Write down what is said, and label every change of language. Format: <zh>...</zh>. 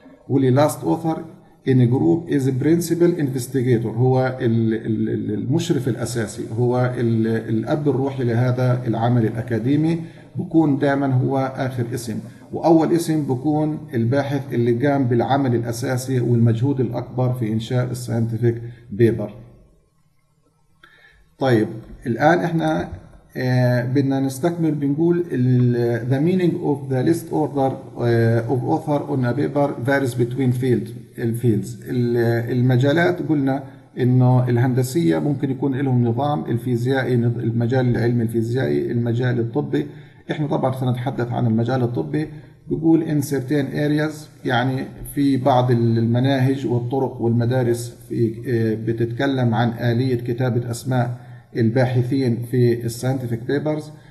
<ar>واللي</ar> <en>last author in a group is a principal investigator،</en> <ar>هو المشرف الأساسي، هو الأب الروحي لهذا العمل الأكاديمي، بيكون دائما هو آخر اسم، وأول اسم بيكون الباحث اللي قام بالعمل الأساسي والمجهود الأكبر في إنشاء scientific paper. طيب الآن إحنا بدنا نستكمل بنقول</ar> <en>the meaning of the list order of author on a paper varies between fields.</en> <ar>المجالات قلنا إنه الهندسية ممكن يكون لهم نظام، الفيزيائي المجال العلمي الفيزيائي، المجال الطبي إحنا طبعا سنتحدث عن المجال الطبي. بيقول</ar> <en>in certain areas،</en> <ar>يعني في بعض المناهج والطرق والمدارس في بتتكلم عن آلية كتابة أسماء الباحثين في الساينتفك بيبرز.</ar>